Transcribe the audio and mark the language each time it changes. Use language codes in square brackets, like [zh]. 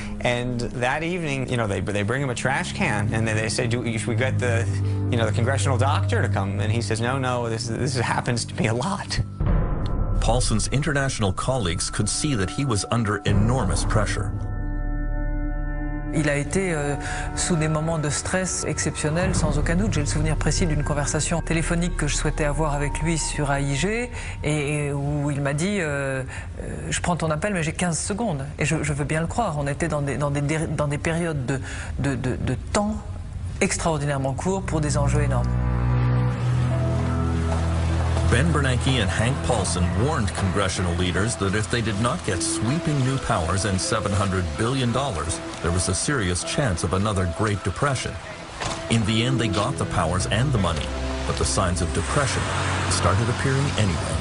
[en] And that evening, you know, they bring him a trash can. And then they say, should we get the congressional doctor to come? And he says, no, this happens to be a lot. Paulson's international colleagues could see that he was under enormous pressure. [fr] Il a été sous des moments de stress exceptionnels, sans aucun doute. J'ai le souvenir précis d'une conversation téléphonique que je souhaitais avoir avec lui sur AIG et où il m'a dit « Je prends ton appel, mais j'ai 15 secondes. » Et je veux bien le croire. On était dans des périodes de temps extraordinairement courts pour des enjeux énormes. [en] Ben Bernanke and Hank Paulson warned congressional leaders that if they did not get sweeping new powers and $700 billion, there was a serious chance of another Great Depression. In the end, they got the powers and the money, but the signs of depression started appearing anyway.